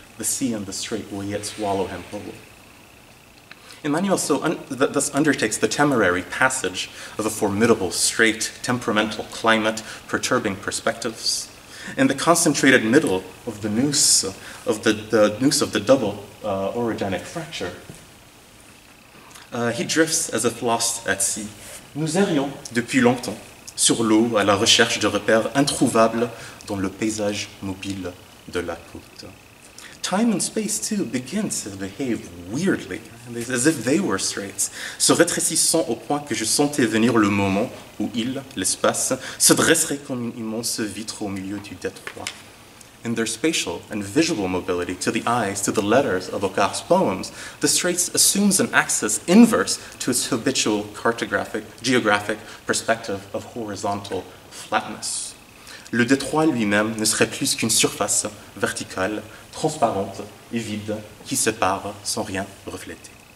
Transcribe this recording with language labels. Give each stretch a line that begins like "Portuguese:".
English: The sea and the strait will yet swallow him whole. Emmanuel thus undertakes the temerary passage of a formidable strait, temperamental climate, perturbing perspectives. In the concentrated middle of the noose of the noose of the double orogenic fracture, he drifts as if lost at sea.
French: Nous errions depuis longtemps sur l'eau à la recherche de repères introuvables dans le paysage mobile de la côte.
English: Time and space, too, begin to behave weirdly, as if they were straits,
French: se rétrécissant au point que je sentais venir le moment où il, l'espace, se dresserait comme une immense vitre au milieu du détroit.
English: In their spatial and visual mobility, to the eyes, to the letters of Occam's poems, the straits assumes an axis inverse to its habitual cartographic, geographic perspective of horizontal flatness.
French: Le détroit lui-même ne serait plus qu'une surface verticale, transparente et vide, qui sépare sans rien refléter.